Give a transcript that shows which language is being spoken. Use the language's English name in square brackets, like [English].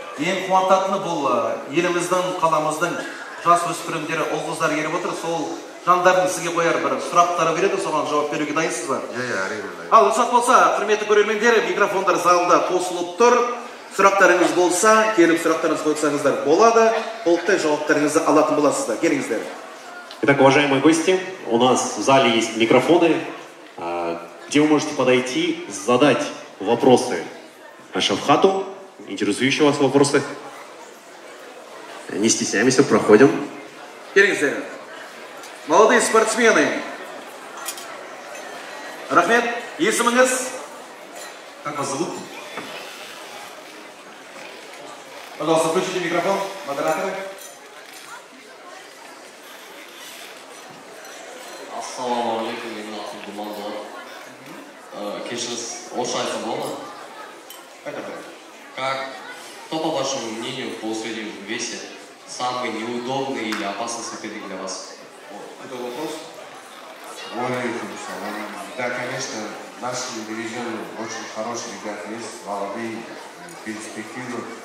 [Kazakh] Ең қуантатыны бұл еліміздің, қаламыздың жасөспірімдері, ұл қыздар келіп отыр. Сол жандардың сізге қояр бір сұрақтары береді, соған жауап беруге дайынсыз ба? Иә, әрине. Ал рұқсат болса, құрметті көрермендер, микрофондар залында қосылып тұр. Сұрақтарыңыз болса, келіп сұрақтарыңызды қойсаңыздар болады. Толықтай жауаптарыңызды алатын боласыздар. Келіңіздер. [Russian] Итак, уважаемые гости, у нас в зале есть микрофоны, где вы можете подойти, задать вопросы Шафхату, интересующие вас вопросы. Не стесняемся, проходим. Келіңіздер. Молодые спортсмены. [Kazakh] Рахмет, есіміңіз? [Russian] Как вас зовут? Пожалуйста, включите микрофон, модераторы. [Kazakh] Ассаламу алейкум, менің атым Думан Зор. Кешіріңіз, орысша айтсам болады ма? [Russian] Как, кто по вашему мнению, по среднем весе, самый неудобный или опасный соперник для вас? Это вопрос? [Arabic] Алейкум ассалам. [Russian] Да, конечно, наши дивизионы очень хорошие ребята есть, молодые, перспективы.